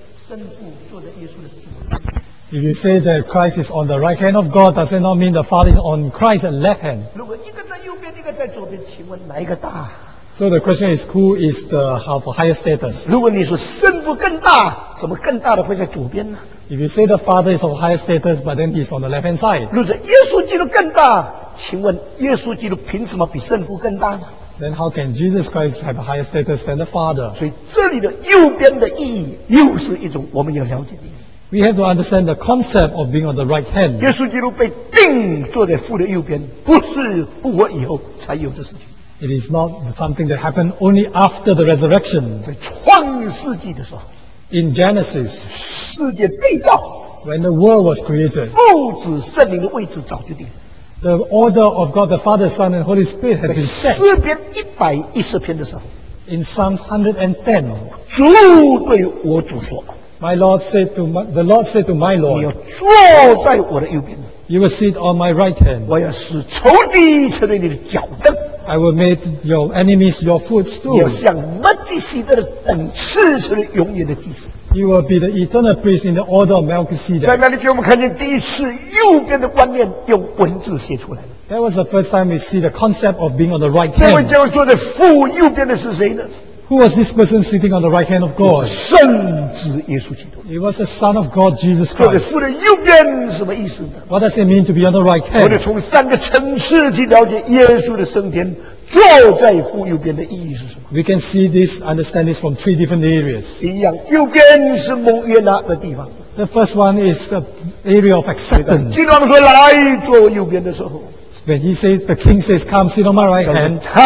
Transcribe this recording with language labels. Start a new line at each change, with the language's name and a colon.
English: If you say that Christ is on the right hand of God, does it not mean the Father is on Christ's left hand? So the question is, who is the of higher status?
Chinese: 如果你说身父更大，怎么更大的会在左边呢？
English: If you say the Father is of higher status, but then he's on the left hand side.
Chinese: 如果耶稣基督更大，请问耶稣基督凭什么比身父更大呢？
English: Then how can Jesus Christ have a higher status than the Father?
Chinese: 所以这里的右边的意义又是一种我们要了解的意义。
English: We have to understand the concept of being on the right hand.
Chinese: 耶稣基督被定坐在父的右边，不是复活以后才有的事情。
English: It is not something that happened only after the resurrection.
Chinese: 在创世纪的时候
English: In Genesis,
Chinese: 世界被造
English: When the world was created,
Chinese: 父子圣灵的位置早就定
English: The order of God, the Father, Son, and Holy Spirit has been set.
Chinese: 诗篇110篇的时候
English: In Psalms 110,
Chinese: 主对我主说
English: The Lord said to my Lord,
Chinese: 你要坐在我的右边
English: You will sit on my right hand.
Chinese: 我要使仇敌成为你的脚凳
English: I will make your enemies your footstool.
Chinese: 要像Melchizedek的等次成为永远的祭司。
English: You will be the eternal priest in the order of Melchizedek.
Chinese: 在那里给我们看见第一次右边的观念用文字写出来。
English: That was the first time we see the concept of being on the right hand.
Chinese: 这位将坐在父右边的是谁呢？
English: Who was this person sitting on the right hand of God?
Chinese: 圣子耶稣基督。
English: It was the Son of God, Jesus Christ.
Chinese: 坐在父的右边什么意思呢？
English: What does it mean to be on the right hand?
Chinese: 我得从三个层次去了解耶稣的升天，坐在父右边的意义是什么？
English: We can see this, understand this from three different areas.
Chinese: 一样，右边是蒙悦纳的地方。
English: The first one is the area of acceptance.
Chinese: 基督说来坐我右边的时候。
English: When he says, the king says, come sit on my right hand,